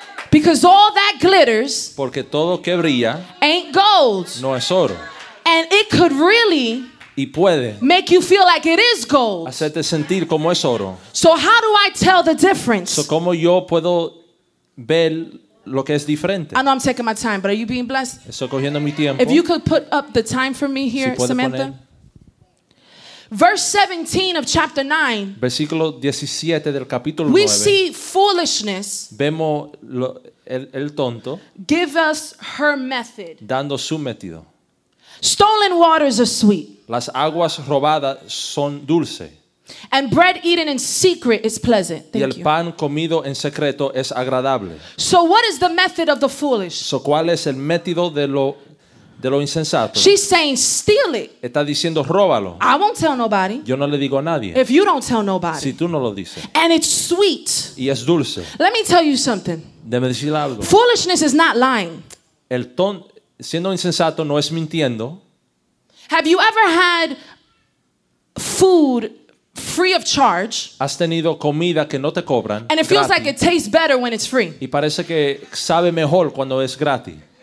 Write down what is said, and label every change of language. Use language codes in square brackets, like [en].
[en] Because all that glitters. [es] Porque todo que brilla. [en] Ain't gold. [es] No es oro. [en] And it could really. [es] Y puede [en] make you feel like it is gold. [es] Hacerte sentir como es oro. [en] So how do I tell the difference? [es] So cómo yo puedo ver lo que es diferente. [en] I know I'm taking my time, but are you being blessed? [es] Estoy cogiendo mi tiempo. [en] If you could put up the time for me here, [es] si puede [en] Samantha. Verse 17 of chapter 9. [es] Versículo 17 del capítulo 9. [en] We see foolishness. [es] Vemos el tonto. [en] Give us her method. [es] Dando su método. [en] Stolen waters are sweet. [es] Las aguas robadas son dulce. [en] And bread eaten in secret is pleasant. Thank [es] y el [en] you. [es] Pan comido en secreto es agradable. [en] So what is the method of the foolish? [es] So cuál es el método de lo insensato? [en] She's saying steal it. [es] Está diciendo róbalo. [en] I won't tell nobody. [es] Yo no le digo a nadie. [en] If you don't tell nobody. [es] Si tú no lo dices. [en] And it's sweet. [es] Y es dulce. [en] Let me tell you something. [es] Déjame decir algo. [en] Foolishness is not lying. [es] Siendo insensato no es mintiendo. [en] Have you ever had food free of charge? [es] Has tenido comida que no te cobran. [en] And it feels like it tastes better when it's free. [es] Y parece que sabe mejor cuando es gratis.